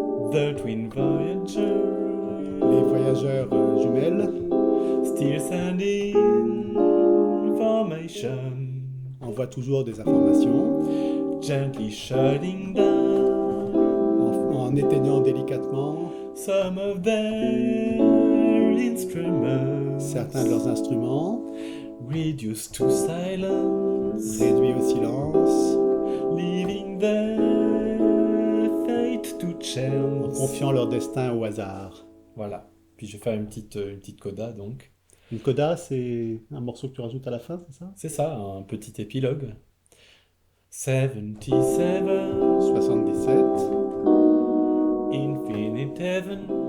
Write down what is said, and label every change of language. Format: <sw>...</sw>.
<en>The twin voyager.</en> <fr>Les voyageurs jumelles.</fr> <en>Still sending information.</en> <fr>Envoie toujours des informations.</fr> <en>Gently shutting down.</en> <fr>En éteignant délicatement</fr> <en>some of their instruments,</en> <fr>certains de leurs instruments,</fr> <en>reduced to silence,</en> <fr>réduits au silence,</fr> <en>leaving their fate to chance,</en> <fr>en confiant leur destin au hasard. Voilà, puis je vais faire une petite coda donc. Une coda, c'est un morceau que tu rajoutes à la fin, c'est ça? C'est ça, un petit épilogue. 77, 77.</fr> <en>Infinite heaven,</en>